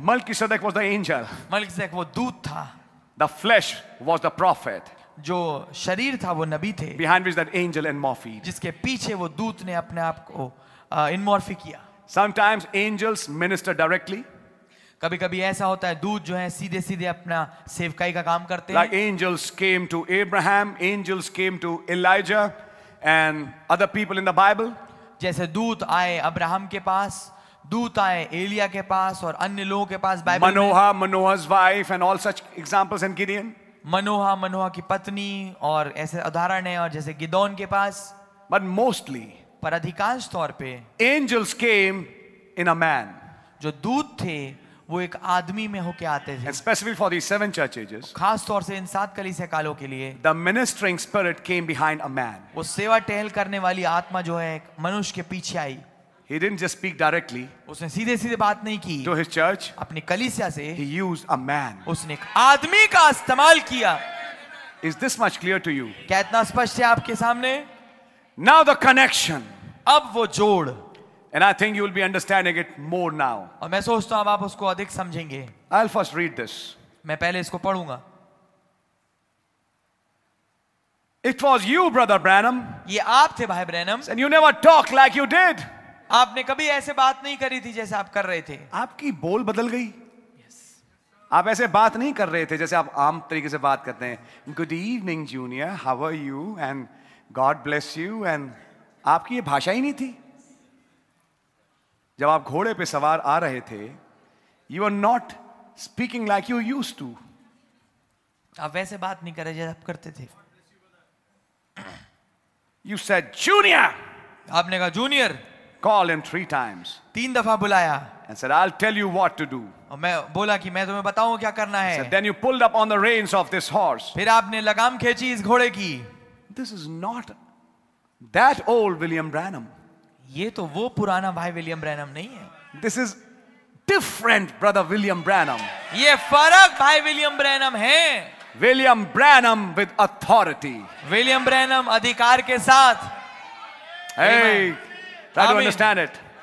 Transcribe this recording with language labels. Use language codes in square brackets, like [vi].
[en] Melchizedek was the angel. [hi] मलकिसदेक वो दूत था. [en] The flesh was the prophet. [hi] जो शरीर था वो नबी थे. [en] Behind which that angel and morphy. [hi] जिसके पीछे वो दूत ने अपने आप को इनमॉर्फी किया. [en] Sometimes angels minister directly. [hi] कभी-कभी ऐसा होता है दूत जो है सीधे-सीधे अपना सेवकाई का काम करते [en] हैं. Like angels came to Abraham, angels came to Elijah, and other people in the Bible. [hi] जैसे दूत आए अब्राहम के पास. दूत आए एलिया के पास और अन्य लोगों के पास. [en] Manoah, मनोहा's wife and all such examples in Gideon. [hi] मनोहा, मनोहा की पत्नी और ऐसे उदाहरण है और जैसे गिदोन के पास. [en] But mostly, [hi] पर अधिकांश तौर पे, [en] angels came in a man. [hi] जो दूत थे वो एक आदमी में होके आते थे. [en] And specifically for these seven church ages, [hi] खास तौर से इन सात कलीसिया कालों के लिए, [en] the ministering spirit came behind a man. [hi] वो सेवा टहल करने वाली आत्मा जो है मनुष्य के पीछे आई. [en] He didn't just speak directly. [hi] उसने सीधे-सीधे बात नहीं की. [en] To his church. [hi] अपनी कलीसिया से. [en] He used a man. [hi] उसने एक आदमी का इस्तेमाल किया. [en] Is this much clear to you? [hi] क्या इतना स्पष्ट है आपके सामने? [en] Now the connection. [hi] अब वो जोड़. [en] And I think you will be understanding it more now. [hi] और मैं सोचता हूँ अब आप उसको अधिक समझेंगे. [en] I'll first read this. [hi] मैं पहले इसको पढ़ूंगा. [en] It was you, brother Branham. [hi] ये आप थे भाई Branham. [en] And you never talked like you did. [hi] आपने कभी ऐसे बात नहीं करी थी जैसे आप कर रहे थे. आपकी बोल बदल गई. Yes. आप ऐसे बात नहीं कर रहे थे जैसे आप आम तरीके से बात करते हैं. [en] good evening junior, how are you and [hi] God bless you and. आपकी ये भाषा ही नहीं थी जब आप घोड़े पे सवार आ रहे थे. [en] You are not speaking like you use to. [hi] आप वैसे बात नहीं कर रहे जैसे आप करते थे. [en] You said junior. [hi] आपने कहा जूनियर. [en] Call him 3 times. [hi] तीन दफा बुलाया. [en] And said, I'll tell you what to do. [hi] और मैं बोला कि मैं तुम्हें बताऊँ क्या करना है. [en] Said, then you pulled up on the reins of this horse. [hi] फिर आपने लगाम खींची इस घोड़े की. [en] This is not that old William Branham. [hi] ये तो वो पुराना भाई विलियम ब्रैनम नहीं है. [en] This is different brother William Branham. [hi] ये फरक भाई विलियम ब्रैनम है. [en] William Branham with authority. [hi] William Branham अधिकार के साथ. [en] Hey, try to understand it.